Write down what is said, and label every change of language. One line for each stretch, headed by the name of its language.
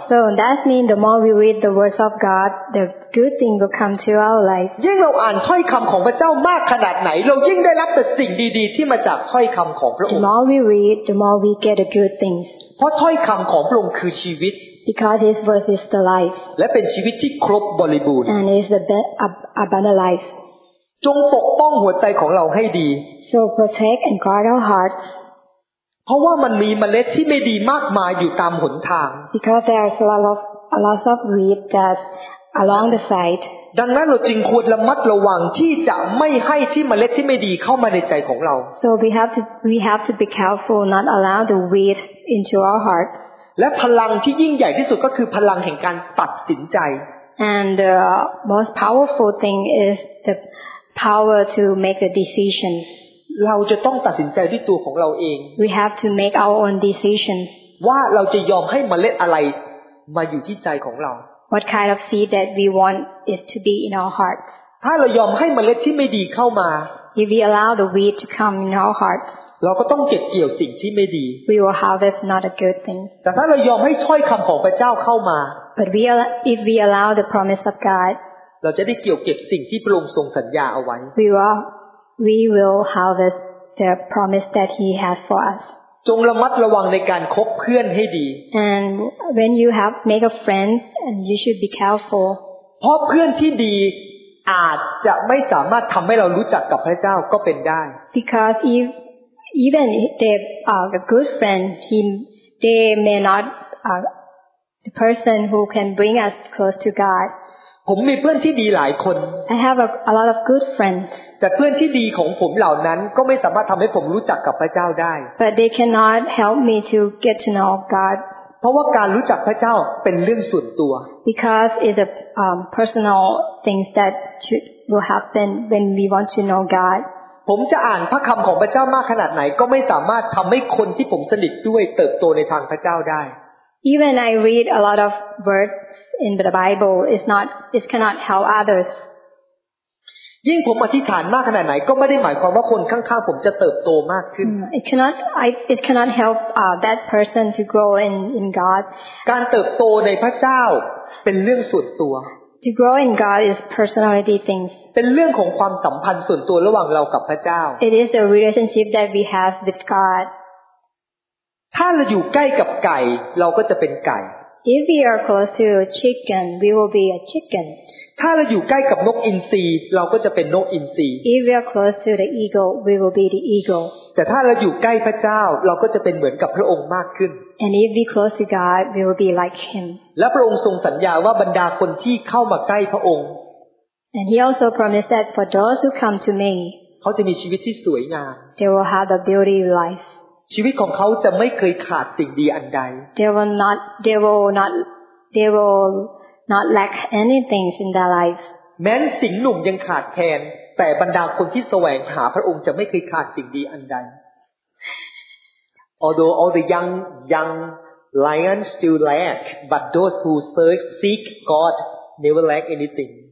English: So that means the more we read the words of God the good thing will come to our life
Thai: ยิ่งเราอ่านถ้อยคำของพระเจ้ามากขนาดไหนเรายิ่งได้รับแต่สิ่งดีๆที่มาจากถ้อยคำของพระองค์
English: The more we read the more we get the good things
Thai: เพราะถ้อยคำของพระองค์คือชีวิต
English: Because his verse is the life.
Thai: และเป็นชีวิตที่ครบบริบูรณ์
English: And is the abundant life.
Thai: จงปกป้องหัวใจของเราให้ดี
English: So protect and guard our hearts.
Thai: เพราะว่ามันมีเมล็ดที่ไม่ดีมากมายอยู่ตามหนทาง
English: Because there is a lot of weed that along the side.
Thai: ดังนั้นเราจึงควรระมัดระวังที่จะไม่ให้ที่เมล็ดที่ไม่ดีเข้ามาในใจของเรา
English: So we have to be careful not allow the weed into our hearts
Thai: และพลังที่ยิ่งใหญ่ที่สุดก็คือพลังแห่งการตัดสินใจ
English: And the most powerful thing is the power to make a decision
Thai: เราจะต้องตัดสินใจด้วยตัวของเราเอง
English: We have to make our own decision
Thai: ว่าเราจะยอมให้เมล็ดอะไรมาอยู่ที่ใจของเรา
English: What kind of seed that we want it to be in our hearts
Thai: ถ้าเรายอมให้เมล็ดที่ไม่ดีเข้ามา
English: If we allow the weed to come in our hearts
Thai: เราก็ต้องเก็บเกี่ยวสิ่งที่ไม่ดี
English: We will harvest not a good things
Thai: แต่ถ้าเรายอมให้ถ้อยคำของพระเจ้าเข้ามา
English: But if we allow the promise of God
Thai: เราจะได้เกี่ยวเก็บสิ่งที่พระองค์ทรงสัญญาเอาไว้
English: We will harvest the promise that he has for us
Thai: จงระมัดระวังในการคบเพื่อนให้ดี
English: And when you have make a friend and you should be careful
Thai: เพราะเพื่อนที่ดีอาจจะไม่สามารถทำให้เรารู้จักกับพระเจ้าก็เป็นได้
English: Because ifEven they are a good friend. They may not the person who can bring us close to God.
Thai: ผมมีเพื่อนที่ดีหลายคน
English: I have a lot of good friends.
Thai: แต่เพื่อนที่ดีของผมเหล่านั้นก็ไม่สามารถทำให้ผมรู้จักกับพระเจ้าได้
English: But they cannot help me to get to know God.
Thai: เพราะว่าการรู้จักพระเจ้าเป็นเรื่องส่วนตัว
English: Because it's a personal thing that will happen when we want to know God.
Thai: ผมจะอ่านพระคำของพระเจ้ามากขนาดไหนก็ไม่สามารถทำให้คนที่ผมสนิทด้วยเติบโตในทางพระเจ้าได้
English: Even I read a lot of words in the Bible, it cannot help others.
Thai: ยิ่งผมอธิษฐานมากขนาดไหนก็ไม่ได้หมายความว่าคนข้างๆผมจะเติบโตมากขึ้น
English: It cannot help that person to grow in God.
Thai: การเติบโตในพระเจ้าเป็นเรื่องส่วนตัว
English: To grow in God is personality things.
Thai: เป็นเรื่องของความสัมพันธ์ส่วนตัวระหว่างเรากับพระเจ้า
English: It is the relationship that we have with God.
Thai: ถ้าเราอยู่ใกล้กับไก่เราก็จะเป็นไก่
English: If we are close to a chicken, we will be a chicken.
Thai: ถ้าเราอยู่ใกล้กับนกอินทรีเราก็จะเป็นนกอินทรี
English: If we are close to the eagle, we will be the eagle.
Thai: แต่ถ้าเราอยู่ใกล้พระเจ้าเราก็จะเป็นเหมือนกับพระองค์มากขึ้น
English: And if we close to God, we will be like Him.
Thai: และพระองค์ทรงสัญญาว่าบรรดาคนที่เข้ามาใกล้พระองค์
English: And he also promised that for those who come to me
Thai: เขาจะมีชีวิตที่สวยงาม
English: They will have a beautiful life
Thai: ชีวิตของเขาจะไม่เคยขาดสิ่งดีอันใด
English: They will not lack anything in their life
Thai: แม้สิ่งหนุ่มยังขาดแคลนแต่บรรดาคนที่แสวงหาพระองค์จะไม่เคยขาดสิ่งดีอันใด
English: Although all the youngLions still lack, but those who seek God never lack anything.